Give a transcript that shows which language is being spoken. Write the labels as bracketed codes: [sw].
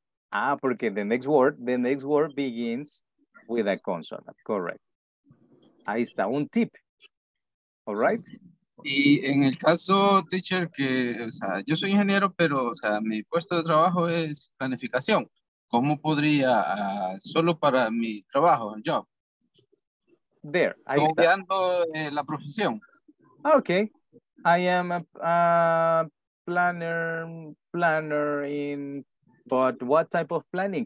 [es] Ah, porque [en] the next word begins with a consonant, correct. [es] Ahí está, un tip. [en] All right. [es] Y en el caso, teacher, que, o sea, yo soy ingeniero, pero, o sea, mi puesto de trabajo es planificación. ¿Cómo podría, solo para mi trabajo, el job? [en] There, [es] ahí está. Obviando la profesión. [en] Okay. I am a planner in, but what type of planning?